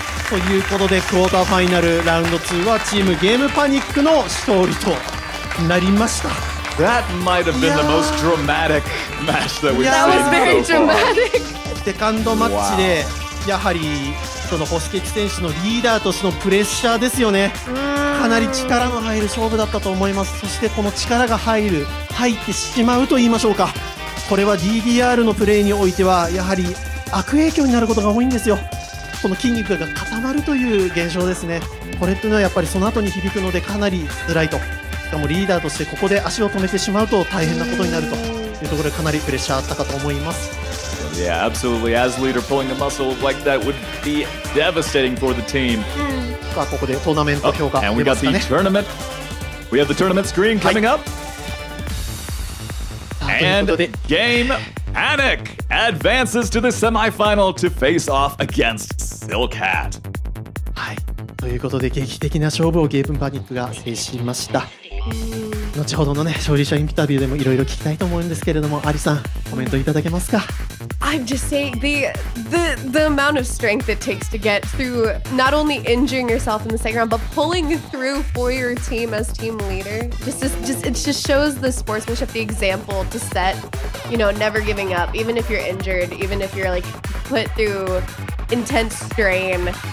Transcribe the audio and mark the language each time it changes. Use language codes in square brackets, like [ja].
[ja] ということで、クォーターファイナルラウンド2はチームゲームパニックの勝利となりました。 [en] That might have been the most dramatic match that we've seen. That was very dramatic! [ja] セカンドマッチで、やはりその星ケツ選手のリーダーとしてのプレッシャーですよね。かなり力の入る勝負だったと思います。そしてこの力が入ってしまうと言いましょうか、これは DDR のプレーにおいてはやはり悪影響になることが多いんですよ。この筋肉が固まるという現象ですね。これというのはやっぱりその後に響くのでかなり辛いと。しかもリーダーとしてここで足を止めてしまうと大変なことになるというところで、かなりプレッシャーあったかと思います。 [en] Yeah, absolutely. As leader, pulling a muscle like that would be devastating for the team. And we got the tournament. We have the tournament screen coming up. And Game Panic advances to the semifinal to face off against Silk Hat. [ja] ということで、劇的な勝負をゲームパニックが制しました。後ほどのね、勝利者インタビューでもいろいろ聞きたいと思うんですけれども、アリさん、コメントいただけますか？ [en] I'm just saying, the amount of strength it takes to get through not only injuring yourself in the second round, but pulling through for your team as team leader. It just shows the sportsmanship, the example to set, you know, never giving up, even if you're injured, even if you're like put through intense strain.